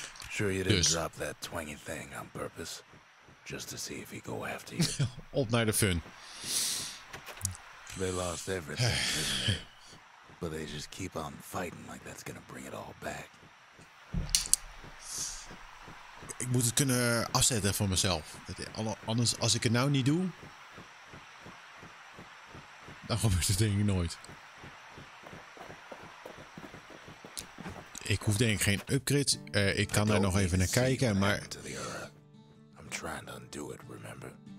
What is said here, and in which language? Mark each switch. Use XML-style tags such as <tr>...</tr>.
<en>Sure you didn't drop that twangy thing on purpose just to see if he go after you.</en> <nl>Op naar de fun.</nl> <en>They lost everything, didn't they? But they just keep on fighting like that's gonna bring it all back.</en> <nl>Ik moet het kunnen afzetten voor mezelf. Anders, als ik het nou niet doe, dan gebeurt het denk ik nooit. Ik hoef denk ik geen upgrade. Ik kan daar nog even naar kijken, maar...</nl> <en>I'm trying to undo it, remember?</en>